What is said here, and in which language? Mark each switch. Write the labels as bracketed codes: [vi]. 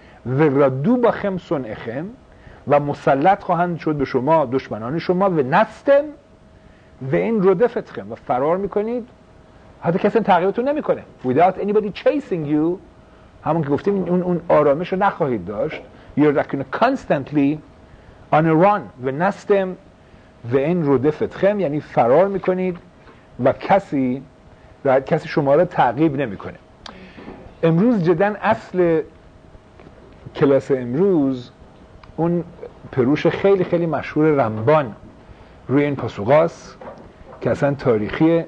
[fa] و ردو باخم سن اخم، و مسلط خواهند شد به شما دشمنان شما. و نستم و این ردفتخم، و فرار میکنید حتی کسی تغییرتون نمیکنه. [en] Without anybody chasing you، [fa] همون که گفتیم اون آرامش رو نخواهید داشت. [en] You're like constantly on a run. [fa] و نستم و این رودفت خم، یعنی فرار میکنید و کسی شما رو تعقیب نمیکنه. امروز جدن اصل کلاس امروز اون پروش خیلی خیلی مشهور رمبان روی این پاسوغاست که اصلا تاریخیه.